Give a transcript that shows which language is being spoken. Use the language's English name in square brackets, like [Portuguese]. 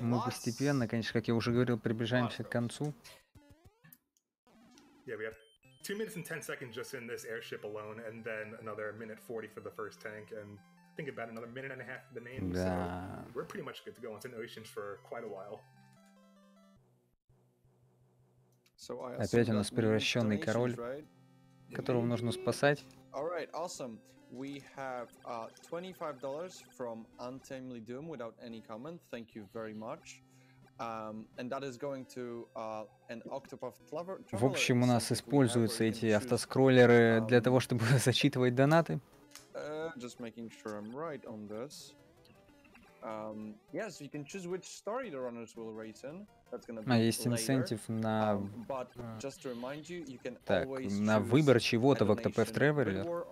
[Russian] Мы постепенно, конечно, как я уже говорил, приближаемся к концу. [English] Yeah, we have 2 minutes and 10 seconds just in this airship alone, and then another minute 40 for the first tank, and I think about another minute and a half for the main, [Russian] да. [English] So we're pretty much good to go onto the oceans for quite a while. [Russian] Опять у нас превращенный король, которого нужно спасать. [English] All right, awesome. We have $25 from Untamely Doom without any comment. Thank you very much. And that is going to an Octopath Traveler. [Russian] В общем, у нас используются эти автоскроллеры для того, чтобы зачитывать донаты. [English] Just making sure I'm right on this. Yes, you can choose which story the runners will race in. [Russian] А есть инсентив на [English] you, [Russian] так, на выбор чего-то в Octopath Traveler.